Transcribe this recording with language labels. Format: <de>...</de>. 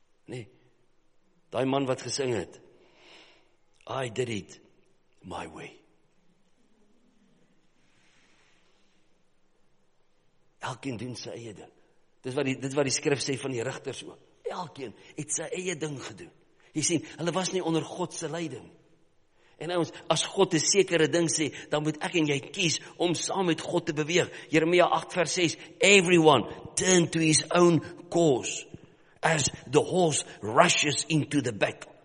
<af>Nee, die man wat gesing het,</af> <en>I did it my way.</en> <af>Elkeen doen sy eie ding. Dit is wat die skrif sê van die rigters ook. elkeen het sy eie ding gedoen. Jy sien, hulle was nie onder Godse leiding. En ons, as God een sekere ding sê, dan moet ek en jy kies om saam met God te beweeg. Jeremia 8 vers 6,</af> <en>everyone turn to his own cause as the horse rushes into the battle.</en>